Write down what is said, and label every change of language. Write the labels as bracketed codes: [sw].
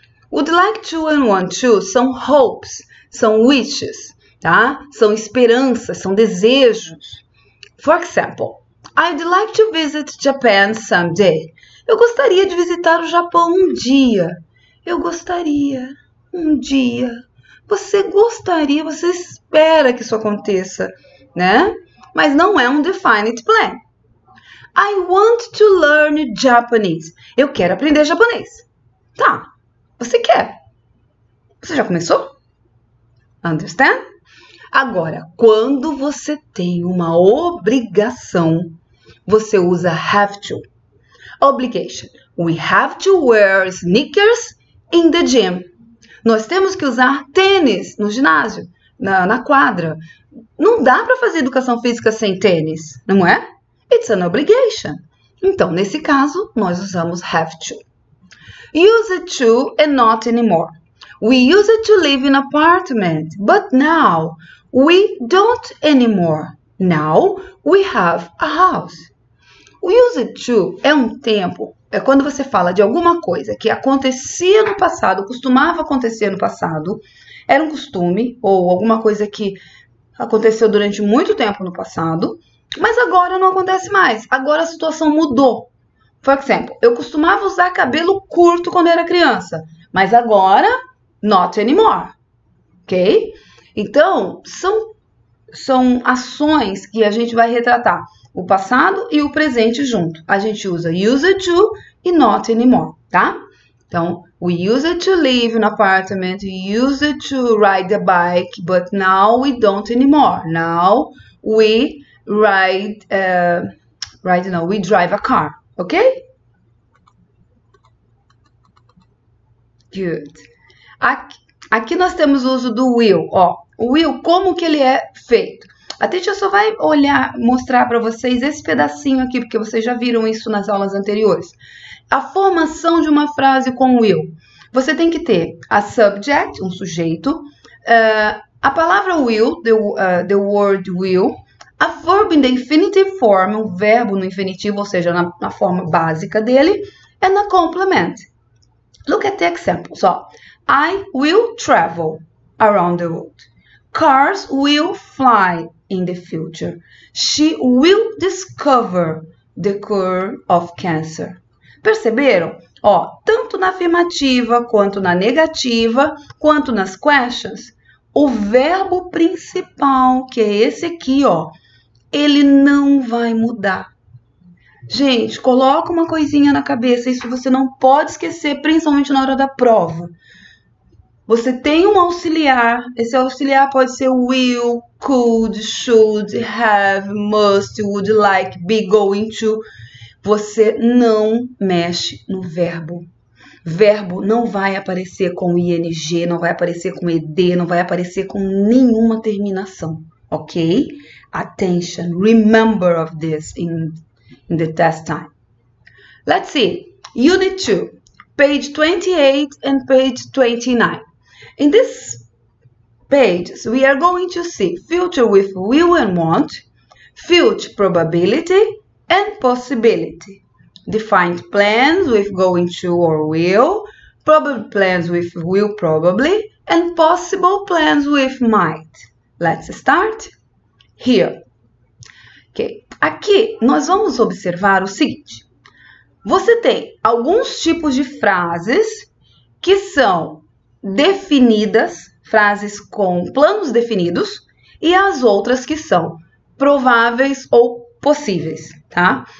[pt] Would like to and want to são hopes, são wishes, tá? São esperanças, são desejos. [en] For example, I'd like to visit Japan someday. [pt] Eu gostaria de visitar o Japão um dia. Eu gostaria um dia. Você gostaria, você espera que isso aconteça, né? Mas não é um definite plan. [en] I want to learn Japanese. [pt] Eu quero aprender japonês. Tá, você quer? Você já começou? [en] Understand? [pt] Agora, quando você tem uma obrigação, você usa have to. [en] Obligation. We have to wear sneakers in the gym. [pt] Nós temos que usar tênis no ginásio, na quadra. Não dá para fazer educação física sem tênis, não é? [en] It's an obligation. [pt] Então, nesse caso, nós usamos have to. [en] Use it to and not anymore. We use it to live in apartment, but now we don't anymore. Now we have a house. [pt] Use it to é um tempo, é quando você fala de alguma coisa que acontecia no passado, costumava acontecer no passado, era um costume ou alguma coisa que aconteceu durante muito tempo no passado, mas agora não acontece mais. Agora a situação mudou. Por exemplo, eu costumava usar cabelo curto quando era criança, mas agora, [en] not anymore. Ok? [pt] Então, são ações que a gente vai retratar o passado e o presente junto. A gente usa use it to e not anymore, tá? Então, [en] we use it to live in apartment, use it to ride a bike, but now we don't anymore. Now we ride, ride no, we drive a car, ok? Good. [pt] Aqui nós temos o uso do will. Ó, o will, como que ele é feito? A teacher só vai olhar, mostrar para vocês esse pedacinho aqui, porque vocês já viram isso nas aulas anteriores. A formação de uma frase com will. Você tem que ter a subject, um sujeito, a palavra will, [en] the word will, a verb in the infinitive form, [pt] o verbo no infinitivo, ou seja, na forma básica dele, [en] and a complement. Look at the examples. So, I will travel around the world. Cars will fly in the future. She will discover the cure of cancer. [pt] Perceberam? Ó, tanto na afirmativa quanto na negativa, quanto nas questions, o verbo principal, que é esse aqui, ó, ele não vai mudar. Gente, coloca uma coisinha na cabeça, isso você não pode esquecer, principalmente na hora da prova. Você tem um auxiliar, esse auxiliar pode ser will, could, should, have, must, would like, be going to. você não mexe no verbo. Verbo não vai aparecer com ing, não vai aparecer com ed, não vai aparecer com nenhuma terminação, ok? [en] Attention, remember of this in the test time. Let's see. Unit 2, page 28 and page 29. In this page, we are going to see future with will and want, future probability and possibility. Defined plans with going to or will, probable plans with will probably, and possible plans with might. Let's start here. Okay. [pt] Aqui nós vamos observar o seguinte. Você tem alguns tipos de frases que são definidas, frases com planos definidos, e as outras que são prováveis ou possíveis, tá?